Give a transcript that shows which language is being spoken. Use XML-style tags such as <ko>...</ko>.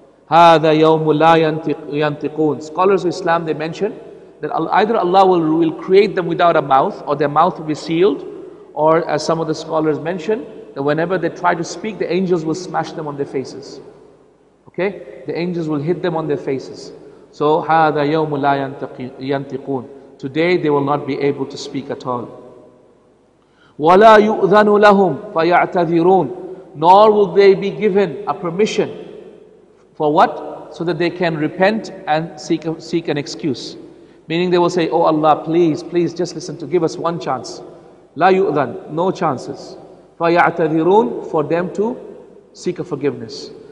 <ar>هذا يوم لا ينطقون.</ar> <en>Scholars of Islam, they mention that either Allah will create them without a mouth, or their mouth will be sealed, or as some of the scholars mention, that whenever they try to speak, the angels will smash them on their faces. Okay? The angels will hit them on their faces.</en> <ar>So هذا يوم لا ينطقون.</ar> <en>Today they will not be able to speak at all.</en> <ar>ولا يؤذن لهم فيعتذرون.</ar> <en>Nor will they be given a permission. For what? So that they can repent and seek an excuse. Meaning they will say, oh Allah, please just listen to, give us one chance. La yu'dhan, no chances. Fa ya'tadhirun, for them to seek a forgiveness.</en>